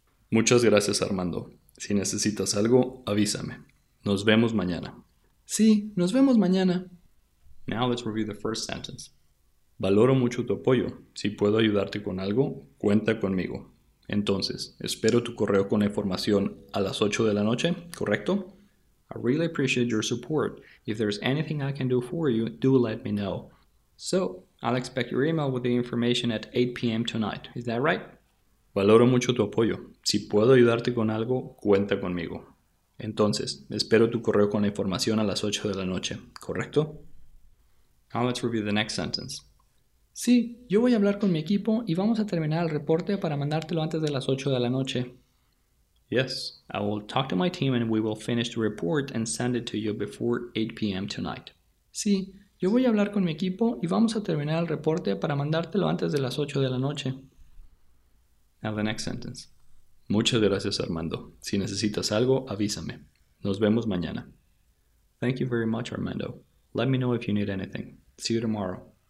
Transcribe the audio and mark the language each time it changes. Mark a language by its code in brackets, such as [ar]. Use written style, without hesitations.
[es] Muchas gracias, Armando. Si necesitas algo, avísame. Nos vemos mañana. Sí, nos vemos mañana. [en] Now let's review the first sentence. [es] Valoro mucho tu apoyo. Si puedo ayudarte con algo, cuenta conmigo. Entonces, espero tu correo con la información a las 8 de la noche, ¿correcto? [en] I really appreciate your support. If there's anything I can do for you, do let me know. So, I'll expect your email with the information at 8 p.m. tonight. Is that right? [es] Valoro mucho tu apoyo. Si puedo ayudarte con algo, cuenta conmigo. Entonces, espero tu correo con la información a las 8 de la noche, ¿correcto? [en] Now let's review the next sentence. [es] Sí, yo voy a hablar con mi equipo y vamos a terminar el reporte para mandártelo antes de las 8 de la noche. [en] Yes, I will talk to my team and we will finish the report and send it to you before 8 p.m. tonight. [es] Sí. Yo voy a hablar con mi equipo y vamos a terminar el reporte para mandártelo antes de las 8 de la noche. [en] Now the next sentence. [es] Muchas gracias, Armando. Si necesitas algo, avísame. Nos vemos mañana. [en] Thank you very much, Armando. Let me know if you need anything. See you tomorrow.